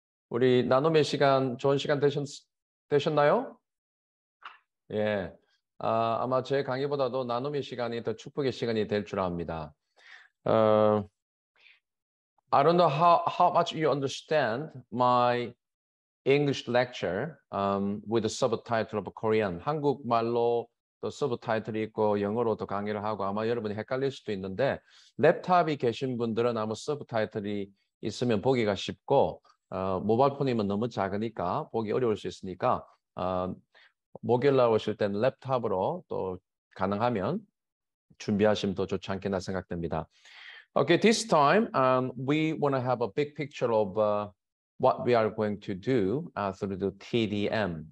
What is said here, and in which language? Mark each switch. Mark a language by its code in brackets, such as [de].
[ko] 우리 나눔의 시간 좋은 시간 되셨나요? 예. 아마 제 강의보다도 나눔의 시간이 더 축복의 시간이 될 줄 압니다. [en] I don't know how much you understand my English lecture with the subtitle of Korean. [ko] 한국말로 또 서브타이틀이 있고 영어로도 강의를 하고 아마 여러분이 헷갈릴 수도 있는데 랩탑이 계신 분들은 아마 서브타이틀이 있으면 보기가 쉽고 모바일폰이면 너무 작으니까 보기 어려울 수 있으니까 목요일날 오실 땐 랩탑으로 또 가능하면 준비하시면 더 좋지 않겠나 생각됩니다. [en] Okay, this time we want to have a big picture of what we are going to do through the TDM.